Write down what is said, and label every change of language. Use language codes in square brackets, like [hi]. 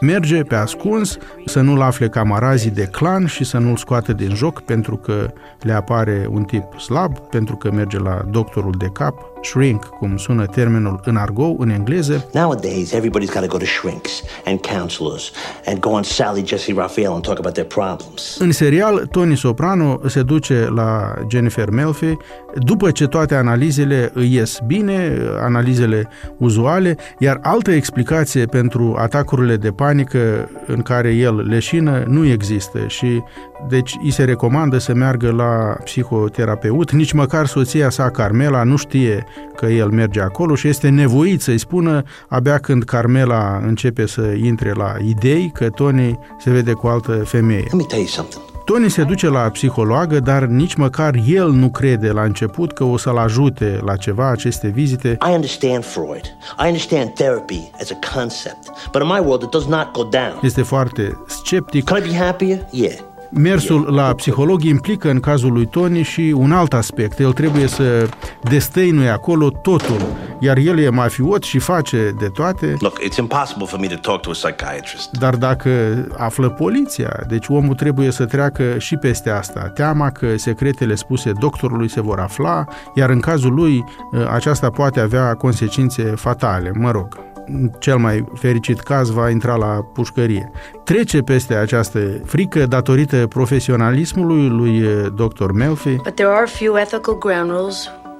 [ro] Merge pe ascuns să nu-l afle camarazii de clan și să nu-l scoată din joc pentru că le apare un tip slab, pentru că merge la doctorul de cap, shrink, cum sună termenul în argou, în engleză. [en] Nowadays, everybody's got to go to shrinks and counselors and go on Sally, Jesse, Raphael and talk about their problems. [ro] În serial, Tony Soprano se duce la Jennifer Melfi după ce toate analizele îi ies bine, analizele uzuale, iar altă explicație pentru atacurile de panică în care el leșină nu există și deci îi se recomandă să meargă la psihoterapeut. Nici măcar soția sa, Carmela, nu știe că el merge acolo și este nevoit să-i spună abia când Carmela începe să intre la idei că Tony se vede cu altă femeie. [en] Let me tell you something. [ro] Tony se duce la psihologă, dar nici măcar el nu crede la început că o să-l ajute la ceva aceste vizite. [en] I understand Freud. I understand therapy as a concept. But in my world it does not go down. [ro] Este foarte sceptic. [en] Can I be happier? Yeah. [ro] Mersul la psiholog implică în cazul lui Tony și un alt aspect. El trebuie să destăinuie acolo totul, iar el e mafiot și face de toate. [en] Look, it's impossible for me to talk to a psychiatrist. [ro] Dar dacă află poliția, deci omul trebuie să treacă și peste asta. Teama că secretele spuse doctorului se vor afla, iar în cazul lui aceasta poate avea consecințe fatale, mă rog. Cel mai fericit caz va intra la pușcărie. Trece peste această frică datorită profesionalismului lui Dr. Melfi. [en] But there are a few ethical ground rules